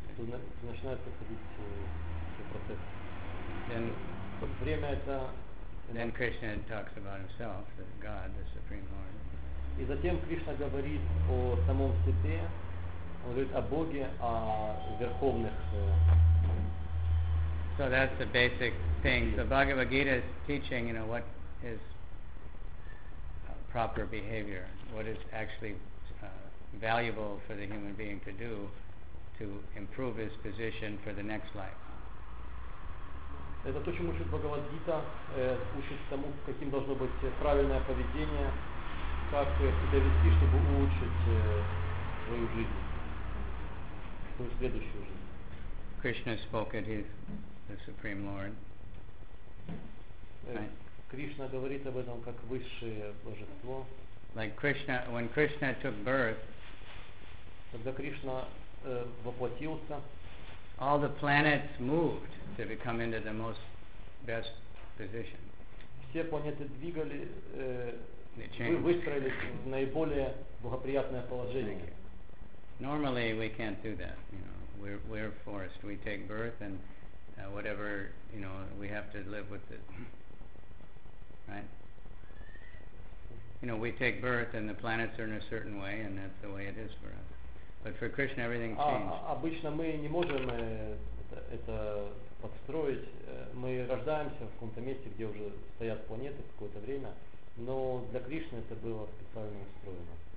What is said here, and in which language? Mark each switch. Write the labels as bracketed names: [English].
[Russian] Начинают происходить процессы. [English] Then [Russian] время это. [English] Then Krishna talks about himself, the God, the Supreme Lord. [Russian] И затем Кришна говорит о самом себе, он говорит о Боге, о верховных. [English] So that's the basic thing. So Bhagavad Gita is teaching, you know, what is proper behavior, what is actually valuable for the human being to do to improve his position for the next life. [Russian] Это то, чему учит Бхагавад-гита, учит тому, каким должно быть правильное поведение, как себя вести, чтобы улучшить свою жизнь, свою следующую жизнь. [English] Krishna spoke it, he's the Supreme Lord. [Russian] Кришна говорит об этом как высшее божество. [English] Like Krishna, when Krishna took birth, [Russian] когда Кришна воплотился, [English] all the planets moved to become into the most best position. [Russian] Все планеты двигали, выстроились в наиболее благоприятное положение. [English] Normally we can't do that. You know, we're forced. We take birth and whatever, you know, we have to live with it. Right? You know, we take birth and the planets are in a certain way and that's the way it is for us. But for Krishna, everything changed. [Russian] Обычно мы не можем это подстроить. Мы рождаемся в каком-то месте, где уже стоят планеты какое-то время. Но для Кришны это было специально устроено.